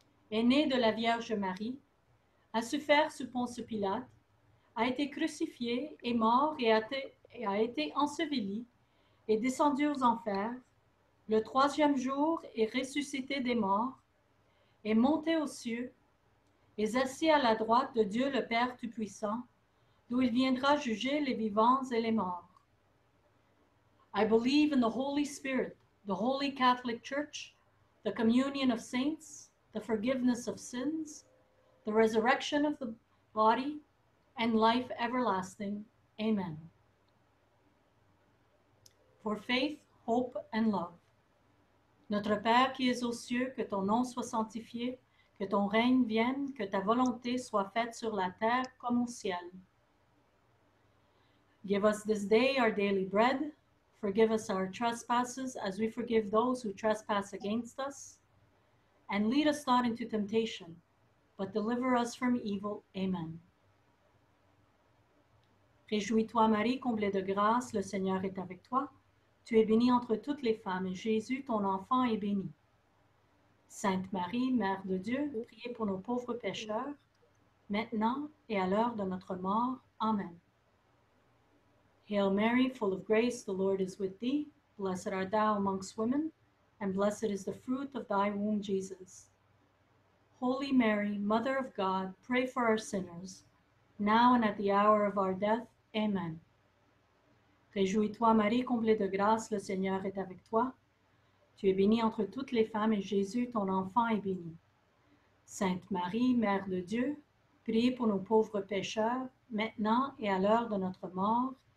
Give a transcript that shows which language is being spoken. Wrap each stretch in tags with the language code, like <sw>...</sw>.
<fr>est né de la Vierge Marie, a souffert sous Ponce Pilate, a été crucifié et mort et a été enseveli et descendu aux enfers, le troisième jour est ressuscité des morts, est monté aux cieux, est assis à la droite de Dieu le Père Tout-Puissant, d'où il viendra juger les vivants et les morts.</fr> <en>I believe in the Holy Spirit, the Holy Catholic Church, the communion of saints, the forgiveness of sins, the resurrection of the body, and life everlasting. Amen. For faith, hope, and love.</en> <fr>Notre Père qui es aux cieux, que ton nom soit sanctifié, que ton règne vienne, que ta volonté soit faite sur la terre comme au ciel.</fr> <en>Give us this day our daily bread. Forgive us our trespasses as we forgive those who trespass against us. And lead us not into temptation, but deliver us from evil. Amen.</en> <fr>Réjouis-toi, Marie, comblée de grâce, le Seigneur est avec toi. Tu es bénie entre toutes les femmes, et Jésus, ton enfant, est béni. Sainte Marie, Mère de Dieu, priez pour nos pauvres pécheurs, maintenant et à l'heure de notre mort. Amen.</fr> <en>Hail Mary, full of grace, the Lord is with thee. Blessed art thou amongst women, and blessed is the fruit of thy womb, Jesus. Holy Mary, Mother of God, pray for our sinners, now and at the hour of our death. Amen.</en> <fr>Réjouis-toi, Marie, comblée de grâce, le Seigneur est avec toi. Tu es bénie entre toutes les femmes, et Jésus, ton enfant, est béni. Sainte Marie, Mère de Dieu, priez pour nos pauvres pécheurs, maintenant et à l'heure de notre mort.</fr>